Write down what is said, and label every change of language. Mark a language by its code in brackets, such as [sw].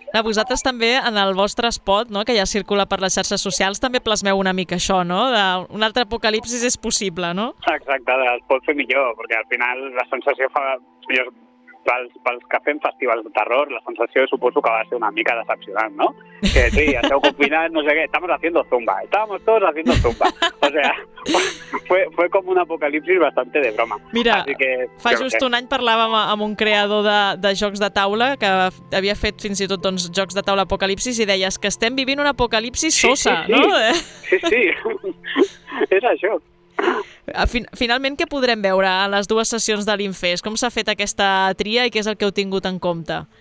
[ca] A vosaltres també, en el vostre spot, no?, que ja circula per les xarxes socials, també plasmeu una mica això, no?, d'un altre apocalipsis és possible, no? Exacte, es pot fer millor, perquè al final la sensació fa... Pels que fem festivals de terror, la sensació suposo que va ser una mica decepcionant, no? Que sí, esteu confinats, no sé què, estàvem tots [es] haciendo zumba. O sea, fue [ca] com [es] un apocalipsis bastante de broma. [ca] Mira, fa just un any parlàvem amb un creador de jocs de taula que havia fet fins i tot doncs, jocs de taula apocalipsis i deies que estem vivint un apocalipsis sosa, sí, sí, no? Sí, és això. Finalment, què podrem veure a les dues sessions de l'Infest? Com s'ha fet aquesta tria i què és el que heu tingut en compte?